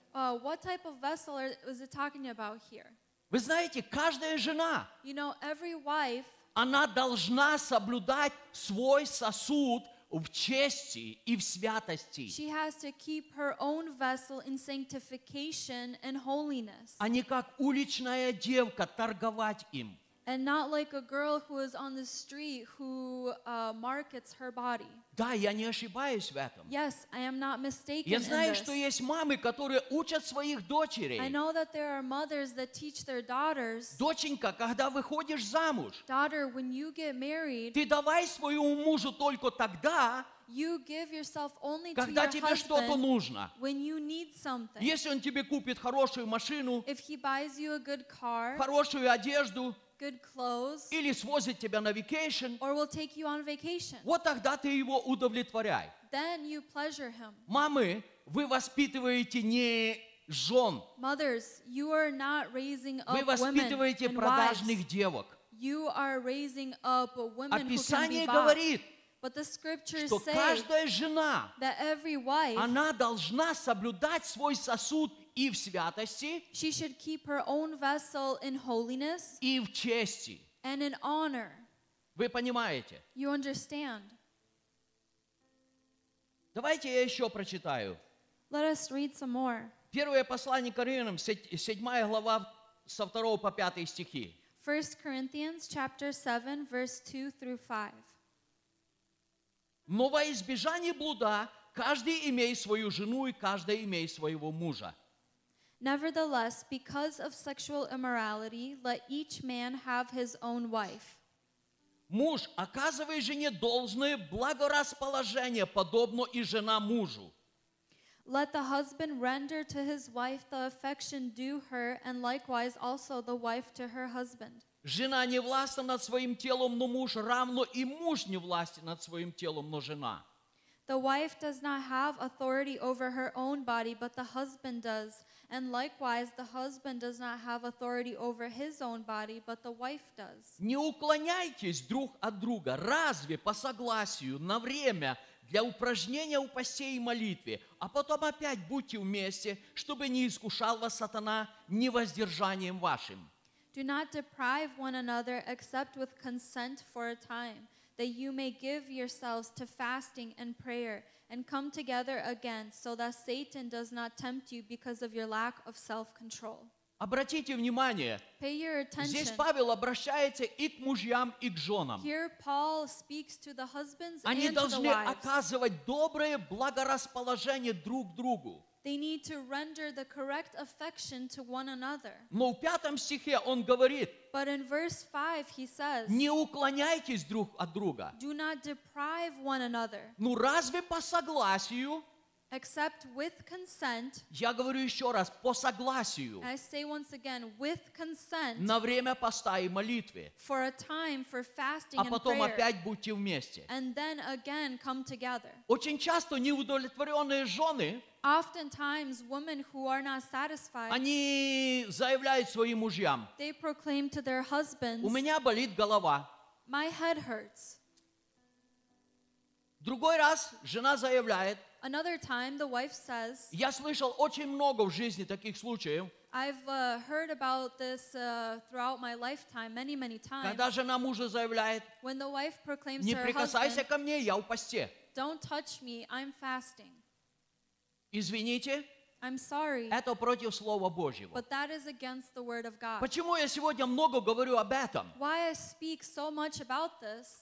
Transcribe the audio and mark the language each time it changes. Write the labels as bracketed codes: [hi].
[en] What type of vessel is it talking about here? [ru] Вы знаете, каждая жена, [en] you know, every wife, [ru] она должна соблюдать свой сосуд в чести и в святости. [en] She has to keep her own vessel in sanctification and holiness. [ru] А не как уличная девка торговать им. [en] And not like a girl who is on the street who markets her body. [ru] Да, я не ошибаюсь в этом. [en] Yes, I am not mistaken. [ru] Я знаю, что есть мамы, которые учат своих дочерей. [en] I know that there are mothers that teach their daughters. [ru] Доченька, когда выходишь замуж, [en] daughter, when you get married, [ru] ты давай своему мужу только тогда, [en] you give yourself only to [ru] когда [en] your [ru] тебе что-то нужно. [en] When you need something. [ru] Если он тебе купит хорошую машину, [en] if he buys you a good car, [ru] хорошую одежду, [en] good clothes, [ru] или свозит тебя на vacation, [en] or will take you on vacation. [ru] Вот тогда ты его удовлетворяй. [en] Then you pleasure him. [ru] Мамы, вы воспитываете не жен. [en] Mothers, you are not raising up women. [ru] Вы воспитываете продажных девок. [en] You are raising up women who can be bought. [ru] Описание говорит, [en] but the scriptures [ru] что каждая жена, [en] that every wife, [ru] она должна соблюдать свой сосуд и в святости, [en] she should keep her own vessel in holiness, [ru] и в чести, [en] and in honor. [ru] Вы понимаете? [en] You understand? [ru] Давайте я еще прочитаю. [en] Let us read some more. [ru] Первое послание Коринфянам, 7 глава, со 2 по 5 стихи. [en] 1 Corinthians, chapter 7, verse 2 through 5. [ru] Но во избежание блуда каждый имеет свою жену и каждый имеет своего мужа. [en] Nevertheless, because of sexual immorality, let each man have his own wife. [ru] Муж, оказывай жене должное благорасположение, подобно и жена мужу. [en] Let the husband render to his wife the affection due her, and likewise also the wife to her husband. [ru] Жена не властна над своим телом, но муж равно и муж не властен над своим телом, но жена. [en] The wife does not have authority over her own body, but the husband does. And likewise, the husband does not have authority over his own body, but the wife does. [ru] Не уклоняйтесь друг от друга. Разве по согласию на время для упражнения у постей и молитвы, а потом опять будьте вместе, чтобы не искушал вас сатана невоздержанием вашим. [en] Do not deprive one another except with consent for a time, that you may give yourselves to fasting and prayer and come together again, so that Satan does not tempt you because of your lack of self-control. [ru] Обратите внимание, [en] pay your attention. [ru] Здесь Павел обращается и к мужьям, и к женам. [en] Here Paul speaks to the husbands [ru] Они [en] and [ru] должны [en] the wives. [ru] Оказывать доброе благорасположение друг другу. [en] They need to render the correct affection to one another. [ru] Но в пятом стихе он говорит, [en] But in verse 5 he says, [ru] не уклоняйтесь друг от друга. [en] Do not deprive one another. [ru] Ну разве по согласию? [en] Except with consent. [ru] Я говорю еще раз, по согласию. [en] I say once again, with consent. [ru] На время поста и молитвы. [en] For a time for fasting [ru] а потом [en] and prayer. [ru] Опять будьте вместе. [en] And then again come together. [ru] Очень часто неудовлетворенные жены [en] Oftentimes, women who are not satisfied, [ru] они заявляют своим мужьям, [en] they proclaim to their husbands, [ru] у меня болит голова. [en] My head hurts. [ru] Другой раз жена заявляет, [en] Another time, the wife says, [ru] я слышал очень много в жизни таких случаев, [en] I've heard about this throughout my lifetime, many, many times, [ru] когда жена мужа заявляет, [en] when the wife proclaims [ru] не [en] to her [ru] прикасайся [en] husband, [ru] ко мне, я в посте. [en] Don't touch me, I'm fasting. [ru] Извините, [en] I'm sorry, [ru] это против Слова Божьего. [en] But that is against the word of God. [ru] Почему я сегодня много говорю об этом? [en] Why I speak so much about this?